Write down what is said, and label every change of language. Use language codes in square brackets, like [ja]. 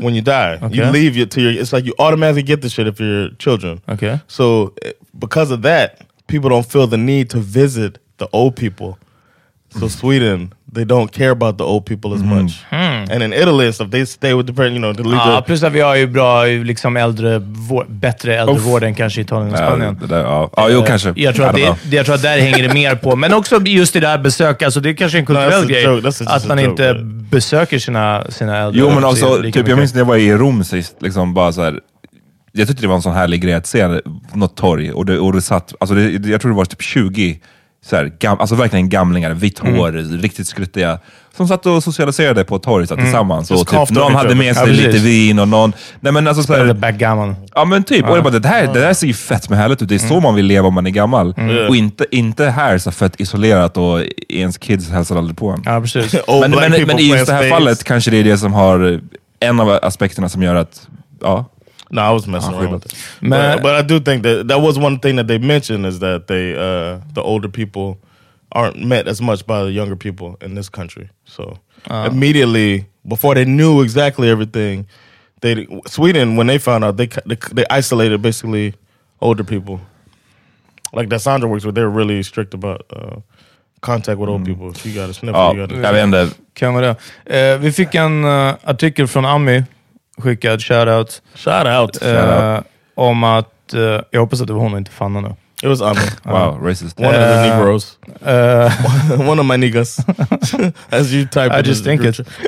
[en] When you die. Okay. You leave it to your... It's like you automatically get the shit if you're children. Okay. So, because of that, people don't feel the need to visit the old people. So, Sweden, they don't care about the old people as much. And in Italy, so they stay with the parent, you know, the legal... [sv] Ja, plus att vi har ju bra, liksom äldre... Bättre äldrevård än kanske Italien och Spanien. Kanske. Jag tror att där hänger det mer på. Men också just det där besök. Alltså, det är kanske en kulturell grej. Att man inte... besöker sina äldre. Jo, men också, typ, jag minns när jag var i Rom sist, liksom bara så här, jag tyckte det var en sån härlig grej att se något torg, och det satt, alltså jag tror det var typ 20 så här, alltså verkligen gamlingar, vitt hår, riktigt skruttiga, som satt och socialiserade på torget tillsammans. Och typ, någon hade med sig lite vin och någon... Nej, men alltså, så här, backgammon. Ja, men typ. Och jag bara, det där ser ju fett med härligt ut. Det är så man vill leva om man är gammal. Mm. Och inte här så fett isolerat och ens kids hälsar aldrig på en. Ja, precis. men i just det här fallet kanske det är det som har en av aspekterna som gör att... Ja. [en] No, I was messing around with it. But I do think that was one thing that they mentioned is that they the older people aren't met as much by the younger people in this country. So immediately, before they knew exactly everything, Sweden, when they found out, they isolated basically older people. Like that Sandra works with, they're really strict about contact with old people. If you got a sniffle, you got [sv] to... Ja, kan man det. Vi fick en artikel från Ami skickad, shout-out. [en] Shout-out. [sv] Om att, jag hoppas att det var hon och inte Fanna nu. [en] It was Ami. Wow, racist. One of the Negroes. One of my niggas. As you type I just think it.